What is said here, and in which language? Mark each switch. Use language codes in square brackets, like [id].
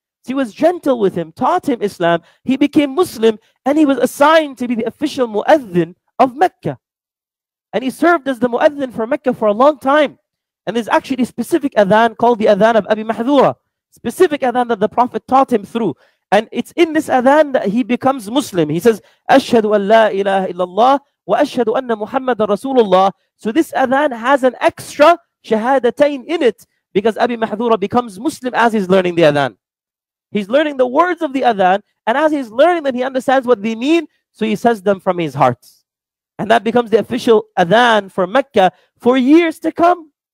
[en] So he was gentle with him, taught him Islam. He became Muslim and he was assigned to be the official muezzin of Mecca. And he served as the muezzin for Mecca for a long time. And there's actually a specific adhan called the adhan of Abi Mahdura. Specific adhan that the Prophet taught him through. And it's in this adhan that he becomes Muslim. He says, [ar] أَشْهَدُ أَنْ لَا إِلَٰهَ إِلَّا اللَّهِ وَأَشْهَدُ أَنَّ مُحَمَّدًا رَسُولُ اللَّهِ. [en] So this adhan has an extra shahadatayn in it because Abi Mahdura becomes Muslim as he's learning the adhan. He's learning the words of the adhan, and as he's learning them, he understands what they mean, so he says them from his heart. And that becomes the official adhan for Mecca for years to come.